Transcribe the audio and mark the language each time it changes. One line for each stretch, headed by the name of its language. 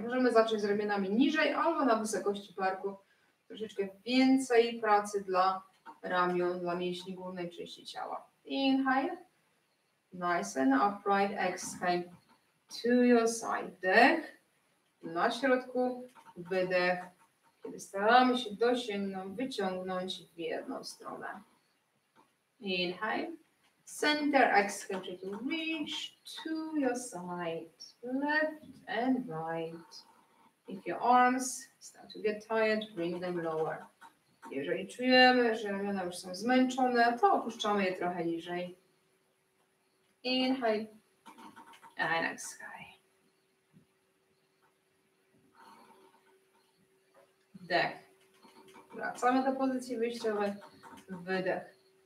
Polish: Możemy zacząć z ramionami niżej albo na wysokości barku. Troszeczkę więcej pracy dla ramion, dla mięśni górnej części ciała.
English: Inhale. Nice and upright. Exhale. To your side.
Polish: Wdech. Na środku. Wydech, kiedy staramy się dosięgnąć, wyciągnąć w jedną stronę.
English: Inhale, center, exhale, try to reach to your side, left and right. If your arms start to get tired, bring them lower.
Polish: Jeżeli czujemy, że ramiona już są zmęczone, to opuszczamy je trochę niżej.
English: Inhale, and exhale.
Polish: Wdech. Wracamy do pozycji wyjściowej. Wydech.